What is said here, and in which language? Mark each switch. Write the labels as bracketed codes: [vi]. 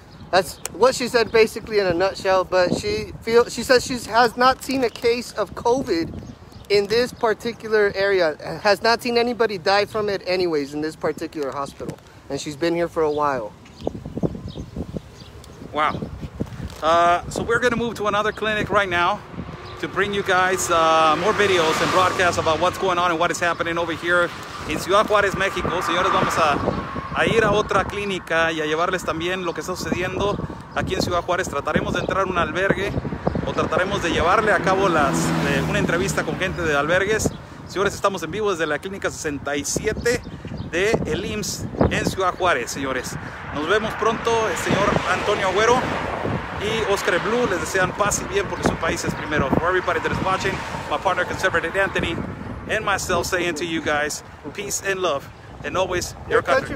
[en] That's what she said basically in a nutshell, but she says she has not seen a case of COVID in this particular area, has not seen anybody die from it anyways in this particular hospital, and she's been here for a while. Wow. So we're going to move to another clinic right now to bring you guys more videos and broadcasts about what's going on and what is happening over here in Ciudad Juárez, Mexico. [es] Señores, vamos a ir a otra clínica y a llevarles también lo que está sucediendo aquí en Ciudad Juárez. Trataremos de entrar a un albergue o trataremos de llevarle a cabo una entrevista con gente de albergues. Señores, estamos en vivo desde la clínica 67 de el IMSS en Ciudad Juárez, señores. Nos vemos pronto, el señor Antonio Agüero y Oscar Blue. Les desean paz y bien porque su país es primero. [en] For everybody that is watching, my partner conservative Anthony and myself saying to you guys, peace and love, and always your country